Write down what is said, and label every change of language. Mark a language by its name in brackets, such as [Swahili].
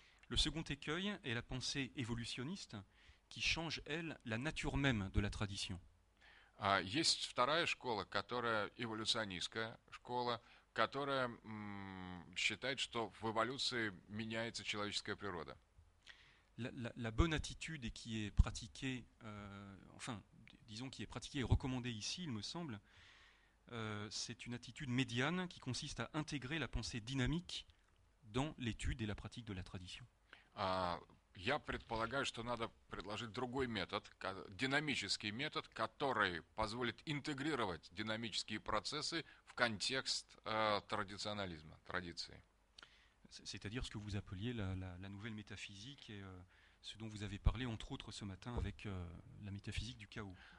[French] Le second écueil est la pensée évolutionniste, qui change, elle, la nature même de la tradition. [Russian] Есть вторая школа, которая эволюционистская школа, которая считает, что в эволюции меняется человеческая природа. [French] La bonne attitude qui est pratiquée, enfin, disons, qui est pratiquée et recommandée ici, il me semble, c'est une attitude médiane qui consiste à intégrer la pensée dynamique dans l'étude et la pratique de la tradition. [Russian] Я предполагаю, что надо предложить другой метод, динамический метод, который позволит интегрировать динамические процессы в контекст традиционализма, традиции. [French] C'est-à-dire ce que vous appeliez la nouvelle métaphysique et ce dont vous avez parlé entre autres ce matin avec la métaphysique du chaos.